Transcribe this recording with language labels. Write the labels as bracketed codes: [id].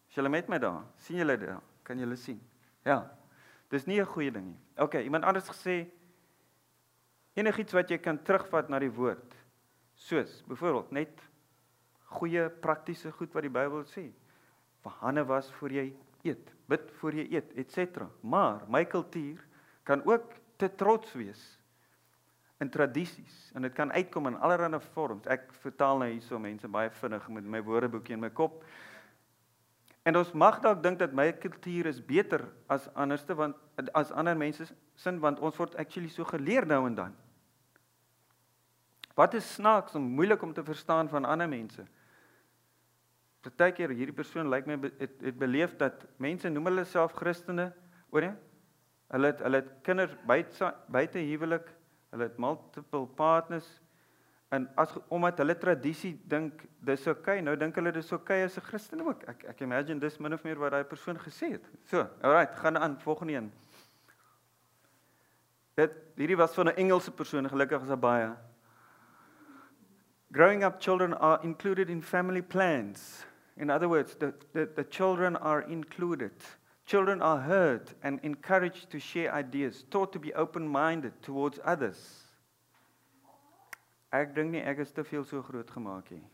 [af] Is julle met my daar? Sien julle dit? Kan julle sien? Ja. Dis nie 'n goeie ding nie. OK, iemand anders gesê enigiets wat jy kan terugvat na die woord. Soos byvoorbeeld net goeie praktiese goed wat die Bybel sê. Verhande was voor jy eet, bid voor jy eet, et cetera. Maar my kultuur kan ook te trots wees in tradisies en dit kan uitkom in allerlei vorms. Ek vertaal nou hierso mense baie vinnig met my woordeboekie in my kop. En ons mag dalk dink dat my kultuur is beter as anderste want as ander mense sin want ons word actually so geleer nou en dan. Wat is snaaks en moeilik om te verstaan van ander mense? Partykeer hierdie persoon lyk my het beleef dat mense noem hulle self Christene, hoor jy? Hulle het kinders buite huwelik, hulle het multiple partners en as omdat hulle tradisie dink dis oukei, okay, nou dink hulle dis oukei okay as 'n Christen ook. Ek imagine dis min of meer wat daai persoon gesê het. So, alright, gaan aan volgende een. Hierdie was van 'n Engelse persoon, gelukkig is daar baie. [en] Growing up children are included in family plans. In other words, the children are included. Children are heard and encouraged to share ideas, taught to be open-minded towards others. [af] Ek dink nie ek is te veel so groot gemaak nie.